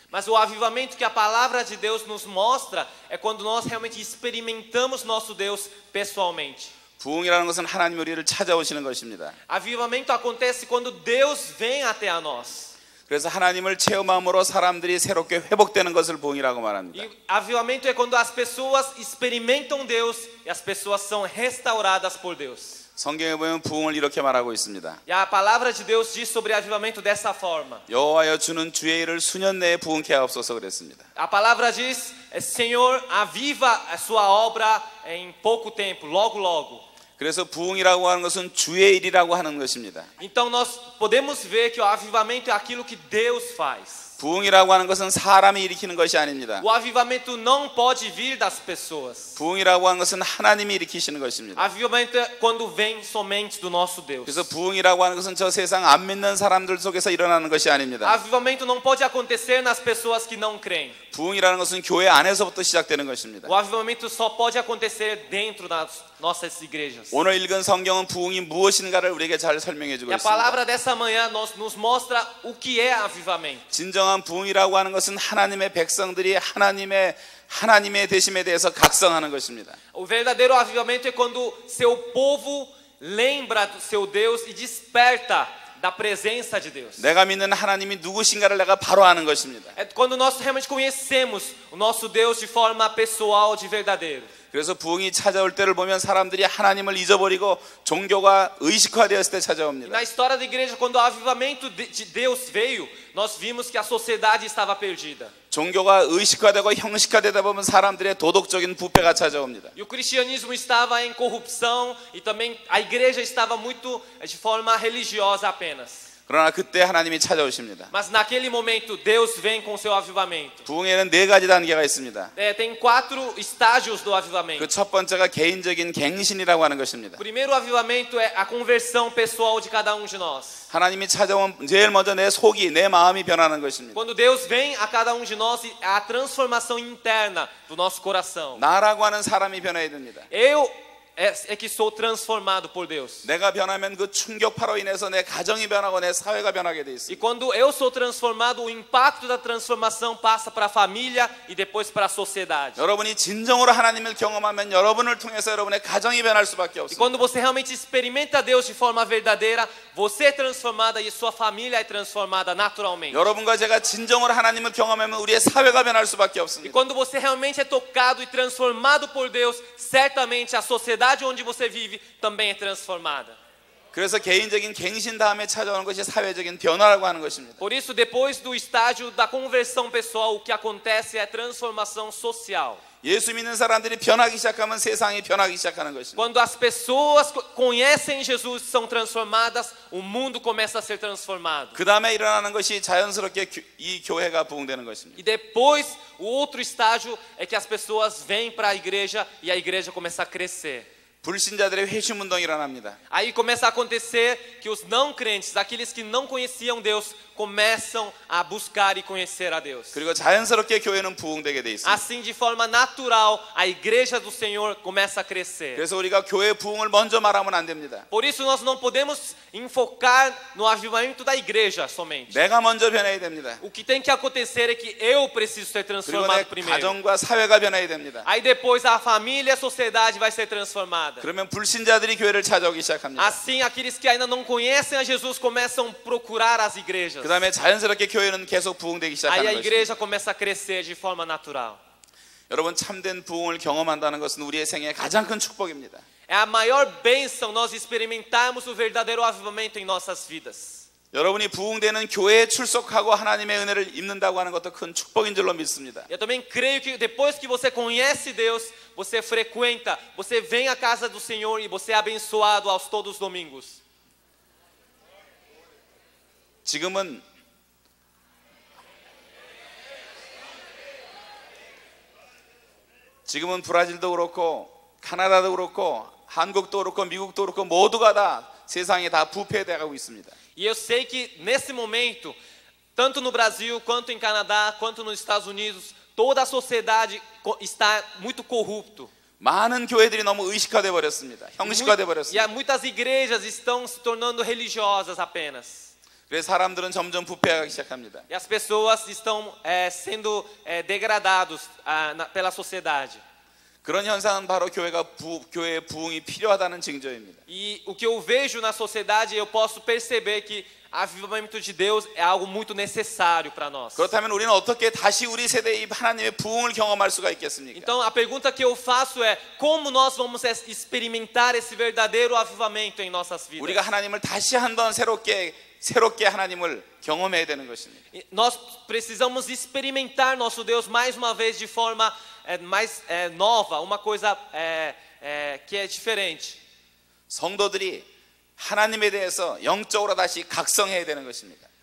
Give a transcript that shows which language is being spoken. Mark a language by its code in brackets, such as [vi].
[pt] Mas o avivamento que a palavra de Deus nos mostra é quando nós realmente experimentamos nosso Deus pessoalmente. [ko] 부흥이라는 것은 하나님 우리를 찾아오시는 것입니다. [pt] Avivamento acontece quando Deus vem até a nós. [ko] 그래서 하나님을 체험함으로 사람들이 새롭게 회복되는 것을 부흥이라고 말합니다. [pt] E avivamento é quando as pessoas experimentam Deus e as pessoas são restauradas por Deus. [ko] 성경에 보면 부흥을 이렇게 말하고 있습니다. [pt] E a palavra de Deus diz sobre avivamento dessa forma. [ko] 여호와여 주는 주의 일을 수년 내에 부흥케 하옵소서 그랬습니다. [pt] A palavra diz: Senhor, aviva a sua obra em pouco tempo, logo logo. [ko] 그래서 부흥이라고 하는 것은 주의 일이라고 하는 것입니다. [pt] Então nós podemos ver que o avivamento é aquilo que Deus faz. [ko] 부흥이라고 하는 것은 사람이 일으키는 것이 아닙니다. [pt] O avivamento não pode vir das pessoas. [ko] 부흥이라고 하는 것은 하나님이 일으키시는 것입니다. [pt] Avivamento é quando vem somente do nosso Deus. [ko] 그래서 부흥이라고 하는 것은 저 세상 안 믿는 사람들 속에서 일어나는 것이 아닙니다. [pt] Avivamento não pode acontecer nas pessoas que não creem. [ko] 부흥이라는 것은 교회 안에서부터 시작되는 것입니다. [pt] O avivamento só pode acontecer dentro das nossas igrejas. [ko] 오늘 읽은 성경은 부흥이 무엇인가를 우리에게 잘 설명해 주고 있습니다. [pt] A palavra dessa manhã nos mostra o que é avivamento. [ko] 진정한 부흥이라고 하는 것은 하나님의 백성들이 하나님의 되심에 대해서 각성하는 것입니다. [pt] O verdadeiro avivamento é quando seu povo lembra do seu Deus e desperta da presença de Deus. [ko] 내가 믿는 하나님이 누구신가를 내가 바로 아는 것입니다. [pt] É quando nós realmente conhecemos o nosso Deus de forma pessoal, de verdadeiro. [ko] 그래서 부흥이 찾아올 때를 보면 사람들이 하나님을 잊어버리고 종교가 의식화되었을 때 찾아옵니다. [pt] Na história da igreja, quando o avivamento de Deus veio, nós vimos que a sociedade estava perdida. [ko] 종교가 의식화되고 형식화되다 보면 사람들의 도덕적인 부패가 찾아옵니다. [pt] E o cristianismo estava em corrupção e também a igreja estava muito de forma religiosa apenas. [ko] 그러나 그때 하나님이 찾아오십니다. [pt] Mas naquele momento Deus vem com seu avivamento. [ko] 부흥에는 네 가지 단계가 있습니다. [pt] Tem quatro estágios do avivamento. [ko] 그 첫 번째가 개인적인 갱신이라고 하는 것입니다. [pt] Primeiro avivamento é a conversão pessoal de cada um de nós. [ko] 하나님이 찾아온 제일 먼저 내 속이 내 마음이 변하는 것입니다. [pt] Quando Deus vem a cada um de nós é a transformação interna do nosso coração. [ko] 나라고 하는 사람이 변해야 됩니다. [pt] Eu é que sou transformado por Deus. [ko] 내가 변하면 그 충격파로 인해서 내 가정이 변하고 내 사회가 변하게 돼 있습니다. [pt] E quando eu sou transformado, o impacto da transformação passa para a família e depois para a sociedade. [ko] 여러분이 진정으로 하나님을 경험하면 여러분을 통해서 여러분의 가정이 변할 수밖에 없어요. [pt] E quando você realmente experimenta Deus de forma verdadeira, você é transformada e sua família é transformada naturalmente. [ko] 여러분과 제가 진정으로 하나님을 경험하면 우리의 사회가 변할 수밖에 없습니다. [pt] E quando você realmente é tocado e transformado por Deus, certamente a sociedade onde você vive também é transformada. [ko] 그래서 개인적인 갱신 다음에 찾아오는 것이 사회적인 변화라고 하는 것입니다. [pt] Por isso, depois do estágio da conversão pessoal, o que acontece é a transformação social. [ko] 예수 믿는 사람들이 변하기 시작하면 세상이 변하기 시작하는 것입니다. [pt] Quando as pessoas conhecem Jesus são transformadas, o mundo começa a ser transformado. [ko] 그 다음에 일어나는 것이 자연스럽게 이 교회가 부흥되는 것입니다. [pt] E depois o outro estágio é que as pessoas vêm para a igreja e a igreja começa a crescer. [ko] 불신자들의 회심 운동이 일어납니다. [pt] Aí começa a acontecer que os não crentes, aqueles que não conheciam Deus, começam a buscar e conhecer a Deus. [ko] 그리고 자연스럽게 교회는 부흥되게 돼 있어요. [pt] Assim, de forma natural, a igreja do Senhor começa a crescer. [ko] 그래서 우리가 교회 부흥을 먼저 말하면 안 됩니다. [pt] Por isso nós não podemos enfocar no avivamento da igreja somente. [ko] 내가 먼저 변해야 됩니다. [pt] O que tem que acontecer é que eu preciso ser transformado primeiro. [ko] 가정과 사회가 변해야 됩니다. [pt] Aí depois a família, a sociedade vai ser transformada. [ko] 그러면 불신자들이 교회를 찾아오기 시작합니다. [pt] Assim, aqueles que ainda não conhecem a Jesus começam a procurar as igrejas. [ko] 그다음에 자연스럽게 교회는 계속 부흥되기 시작하는 거죠. [pt] Aí a igreja começa a crescer de forma natural. [ko] 여러분, 참된 부흥을 경험한다는 것은 우리의 생애 가장 큰 축복입니다. [pt] É a maior bênção nós experimentarmos o verdadeiro avivamento em nossas vidas. [ko] 여러분이 부흥되는 교회에 출석하고 하나님의 은혜를 입는다고 하는 것도 큰 축복인 줄로 믿습니다. [pt] Eu também creio que depois que você conhece Deus, você frequenta, você vem à casa do Senhor e você é abençoado aos todos os domingos. [ko] 지금은 지금은 브라질도 그렇고 캐나다도 그렇고 한국도 그렇고 미국도 그렇고 모두가 다 세상이 다 부패되어가고 있습니다. [pt] E eu sei que nesse momento, tanto no Brasil, quanto em Canadá, quanto nos Estados Unidos, toda a sociedade está muito corrupto. [ko] 많은 교회들이 너무 의식화되어버렸습니다. 형식화되어버렸습니다. [pt] E muitas igrejas estão se tornando religiosas apenas. [ko] 그래서 사람들은 점점 부패하기 시작합니다. [pt] E as pessoas estão sendo degradados pela sociedade. [ko] 그런 현상은 바로 교회의 부흥이 필요하다는 증거입니다. [pt] E o que eu vejo na sociedade, eu posso perceber que avivamento de Deus é algo muito necessário para nós. [ko] 그렇다면 우리는 어떻게 다시 우리 세대의 하나님의 부흥을 경험할 수가 있겠습니까? [pt] Então a pergunta que eu faço é como nós vamos experimentar esse verdadeiro avivamento em nossas vidas? [ko] 우리가 하나님을 다시 한번 새롭게 하나님을 경험해야 되는 것입니다. [pt] Nós precisamos experimentar nosso Deus mais uma vez de forma mais nova, uma coisa que é diferente. [ko] 성도들이 하나님에 대해서 영적으로 다시 각성해야 되는 것입니다.